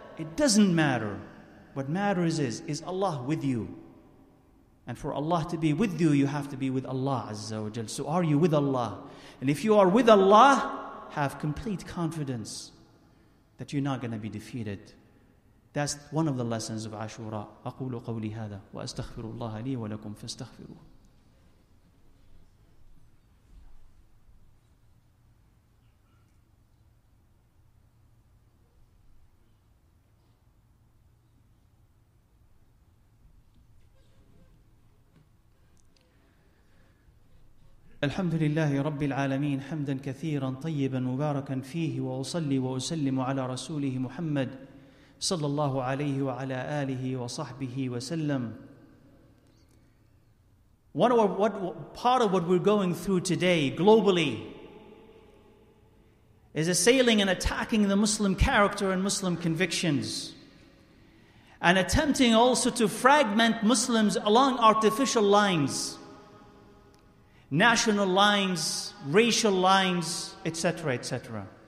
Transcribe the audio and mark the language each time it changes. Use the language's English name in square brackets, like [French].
[English] It doesn't matter. What matters is Allah with you? And for Allah to be with you, you have to be with Allah Azza wa Jal. So are you with Allah? And if you are with Allah, have complete confidence that you're not going to be defeated. That's one of the lessons of Ashura. [Arabic] أقول قولي هذا وأستغفر الله لي ولكم فاستغفروه. الحمد لله رب العالمين حمدا كثيرا طيبا مباركا فيه وأصلي وأسلم على رسوله محمد صلى الله عليه وعلى آله وصحبه وسلم. [English] Part of what we're going through today globally is assailing and attacking the Muslim character and Muslim convictions, and attempting also to fragment Muslims along artificial lines, national lines, racial lines, etc., etc.